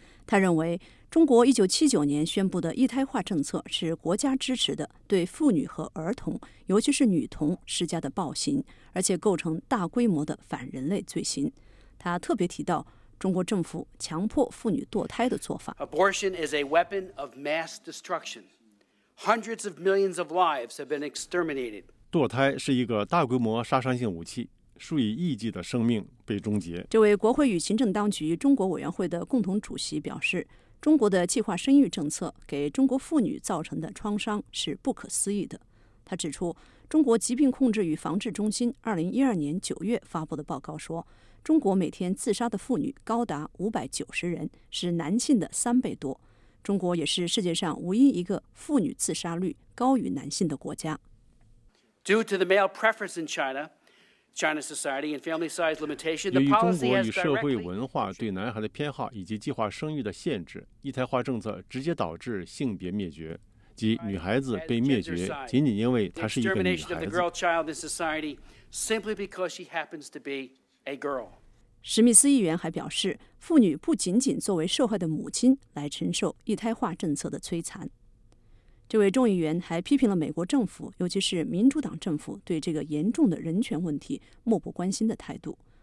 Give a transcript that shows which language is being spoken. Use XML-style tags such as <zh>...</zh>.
<zh>他认为，中国1979年宣布的一胎化政策是国家支持的对妇女和儿童，尤其是女童施加的暴行，而且构成大规模的反人类罪行。他特别提到中国政府强迫妇女堕胎的做法。</zh> <en>Abortion is a weapon of mass destruction. Hundreds of millions of lives have been exterminated.</en> <zh>堕胎是一个大规模杀伤性武器，数以亿计的生命被终结。这位国会与行政当局中国委员会的共同主席表示，中国的计划生育政策给中国妇女造成的创伤是不可思议的。他指出，中国疾病控制与防治中心2012年9月发布的报告说，中国每天自杀的妇女高达590人，是男性的3倍多。中国也是世界上唯一一个妇女自杀率高于男性的国家。</zh> <en>Due to the male preference in China, China society and family size limitation,</en> <zh>由于中国与社会文化对男孩的偏好以及计划生育的限制，一胎化政策直接导致性别灭绝，即女孩子被灭绝，仅仅因为她是一个女孩子。</zh> <en>The girl child in society simply because she happens to be. A girl.</en> <zh>史密斯议员还表示，妇女不仅仅作为受害的母亲来承受一胎化政策的摧残。这位众议员还批评了美国政府，尤其是民主党政府对这个严重的人权问题漠不关心的态度。</zh>